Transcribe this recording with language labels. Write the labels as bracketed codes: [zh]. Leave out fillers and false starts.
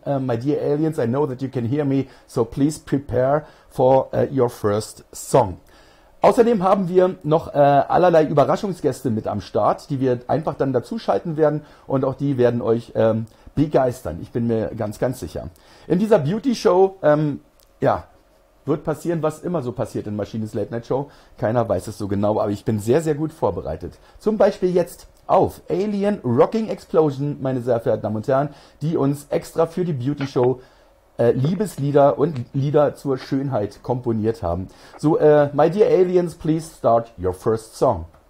[en] My dear aliens, I know that you can hear me, so please prepare for your first song. [de] Außerdem haben wir noch allerlei Überraschungsgäste mit am Start, die wir einfach dann dazu schalten werden und auch die werden euch begeistern. Ich bin mir ganz, ganz sicher. In dieser Beauty-Show, wird passieren, was immer so passiert in Maschines Late Night Show. Keiner weiß es so genau, aber ich bin sehr, sehr gut vorbereitet. Zum Beispiel jetzt auf Alien Rocking Explosion, meine sehr verehrten Damen und Herren, die uns extra für die Beauty Show Liebeslieder und Lieder zur Schönheit komponiert haben. [en] So, my dear aliens, please start your first song.